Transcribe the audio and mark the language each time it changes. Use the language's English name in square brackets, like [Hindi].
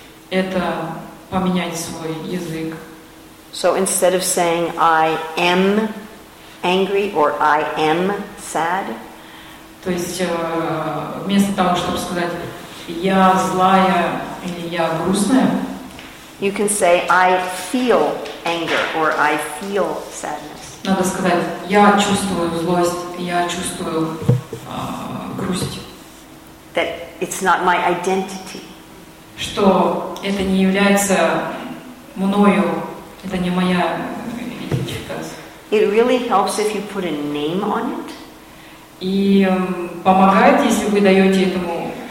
[Russian] Это поменять свой язык. [English] So instead of saying I am angry or I am sad. [Russian] То есть вместо того, чтобы сказать я злая или я грустная. [English] You can say I feel anger or I feel sadness. [Russian] Надо сказать, я чувствую злость, я чувствую грусть. [English] That it's not my identity. [Russian] Что это не является мною, это не моя идентификация. [English] It really helps if you put a name on it. [Russian] И помогает, если вы даете этому.